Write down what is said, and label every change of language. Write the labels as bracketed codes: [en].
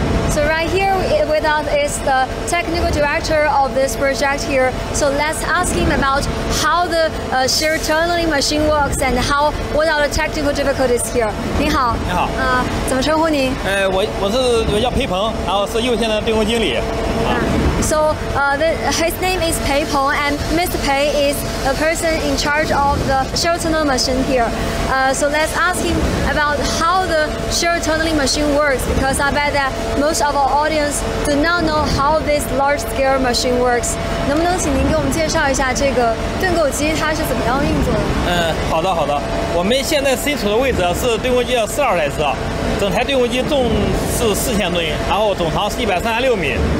[en] So right here with us is the technical director of this project here. So let's ask him about how the shear tunneling machine works and what are the technical difficulties here. [zh] 你好，怎么称呼你？我叫裴鹏，然后是右线的电工经理。 [en] So his name is Pei Peng, and Mr. Pei is a person in charge of the shear tunneling machine here. So let's ask him about how the shear tunneling machine works, because I bet that most of our audience do not know how this large-scale machine works. [zh] 能不能请您给我们介绍一下这个盾构机它是怎么样运作的？好的，好的。我们现在身处的位置是盾构机的4号台车，整台盾构机重是4000吨，然后总长是130厘米。